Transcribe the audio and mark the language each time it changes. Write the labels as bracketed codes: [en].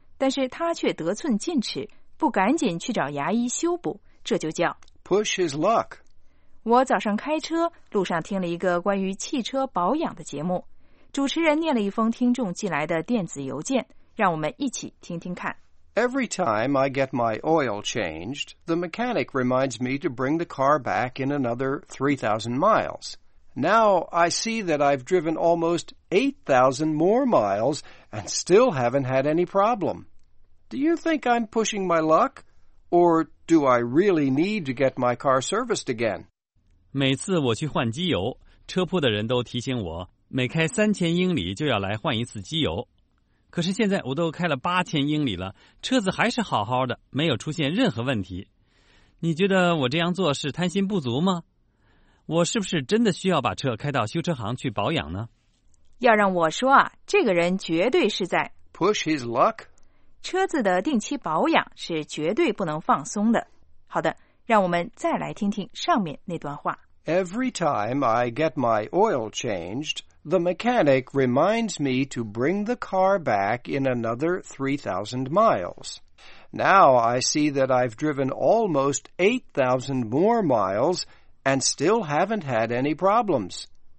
[zh] 但是他却得寸进尺，不赶紧去找牙医修补，这就叫 [en] push his luck. [zh] 我早上开车，路上听了一个关于汽车保养的节目，主持人念了一封听众寄来的电子邮件，让我们一起听听看。 [en] Every time I get my oil changed, the mechanic reminds me to bring the car back in another 3,000 miles. Now I see that I've driven almost 8,000 more miles and still haven't had any problem. Do you think I'm pushing my luck? Or do I really need to get my car serviced again? [zh] 每次我去换机油，车铺的人都提醒我，每开3000英里就要来换一次机油。可是现在我都开了8000英里了，车子还是好好的，没有出现任何问题。你觉得我这样做是贪心不足吗？我是不是真的需要把车开到修车行去保养呢？要让我说啊，这个人绝对是在 [en] push his luck。 [zh] 车子的定期保养是绝对不能放松的。好的。让我们再来听听上面那段话。 [en] Every time I get my oil changed, the mechanic reminds me to bring the car back in another 3,000 miles. Now I see that I've driven almost 8,000 more miles and still haven't had any problems.